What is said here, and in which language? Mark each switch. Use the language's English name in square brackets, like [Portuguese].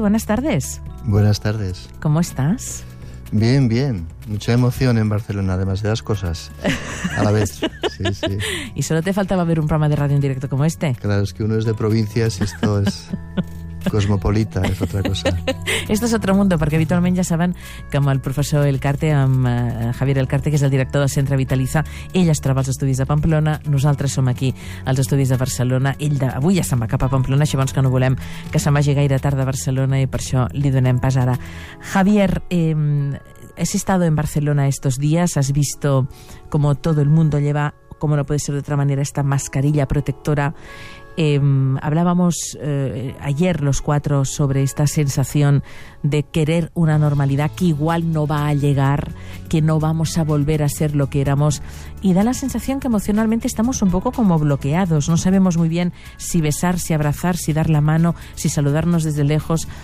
[Spanish] Buenas tardes. Buenas tardes. ¿Cómo estás? Bien, bien. Mucha emoción en Barcelona, además de las cosas a la vez. Sí, sí. Y solo te faltaba ver un programa de radio en directo como este. Claro, es que uno es de provincias y esto es cosmopolita, es otra cosa. Esto es otro mundo, [Catalan] perquè habitualment ja saben que amb el professor Elcarte, amb Javier Elcarte, que és el director del Centre Vitalitza, ell es troba als estudis de Pamplona, nosaltres som aquí als estudis de Barcelona, ell avui ja se'n va cap a Pamplona, així doncs que no volem que se'n vagi gaire tard a Barcelona i per això li donem pas ara. [Spanish] Javier, has estado en Barcelona estos días, has visto como todo el mundo lleva, como no puede ser de otra manera, esta mascarilla protectora. Hablábamos ayer los cuatro sobre esta sensación de querer una normalidad que igual no va a llegar, que no vamos a volver a ser lo que éramos, y da la sensación que emocionalmente estamos un poco como bloqueados, no sabemos muy bien si besar, si abrazar, si dar la mano, si saludarnos desde lejos.